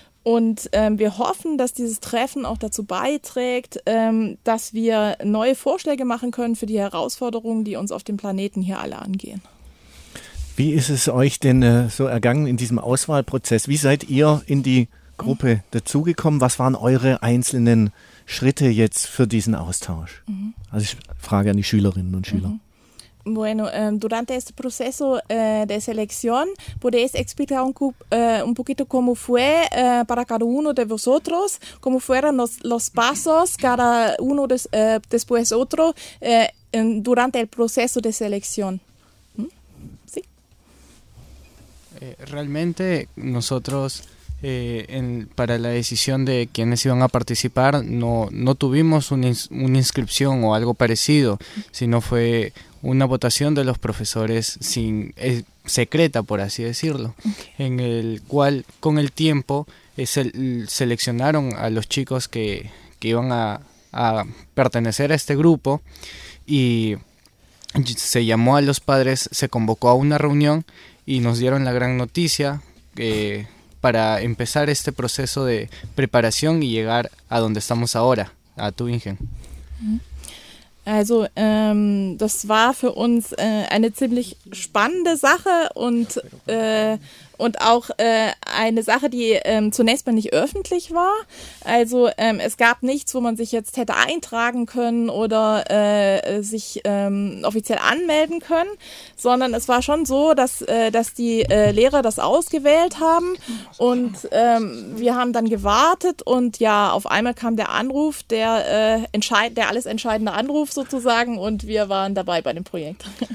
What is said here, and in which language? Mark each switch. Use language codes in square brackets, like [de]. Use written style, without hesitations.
[de] Und wir hoffen, dass dieses Treffen auch dazu beiträgt, dass wir neue Vorschläge machen können für die Herausforderungen, die uns auf dem Planeten hier alle angehen. Wie ist es euch denn so ergangen in diesem Auswahlprozess? Wie seid ihr in die Gruppe dazugekommen? Was waren eure einzelnen Schritte jetzt für diesen Austausch? Mhm. Also ich frage an die Schülerinnen und Schüler. Mhm. [es] Bueno, durante este proceso de selección, ¿podéis explicar un poquito cómo fue para cada uno de vosotros? ¿Cómo fueron los pasos cada uno después otro durante el proceso de selección? ¿Mm? ¿Sí? Realmente nosotros para la decisión de quiénes iban a participar no tuvimos una inscripción o algo parecido, sino fue una votación de los profesores secreta, por así decirlo, en el cual con el tiempo seleccionaron a los chicos que iban a pertenecer a este grupo y se llamó a los padres, se convocó a una reunión y nos dieron la gran noticia para empezar este proceso de preparación y llegar a donde estamos ahora, a Tübingen. [de] Also das war für uns eine ziemlich spannende Sache und auch eine Sache, die zunächst mal nicht öffentlich war. Also es gab nichts, wo man sich jetzt hätte eintragen können oder sich offiziell anmelden können, sondern es war schon so, dass die Lehrer das ausgewählt haben und wir haben dann gewartet und ja, auf einmal kam der Anruf, der alles entscheidende Anruf sozusagen und wir waren dabei bei dem Projekt.